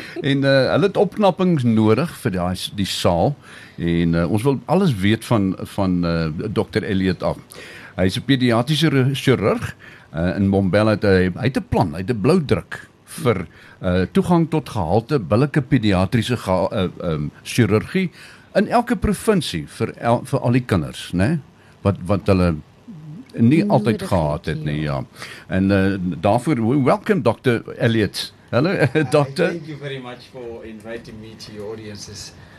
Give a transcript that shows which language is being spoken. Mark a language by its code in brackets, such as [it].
[af] En hulle het opknapping nodig vir die saal. En ons wil alles weet van Dr. Elliot af. Hy is een pediatriese chirurg. In Bombella het een plan, het een blauwdruk vir toegang tot gehalte billike pediatriese chirurgie in elke provinsie vir al die kinders, ne? Wat hulle nie altyd gehad het, nie, ja. En daarvoor, [en] welcome Dr. Elliot. Hello, Dr. Thank you very much for inviting me to your audiences.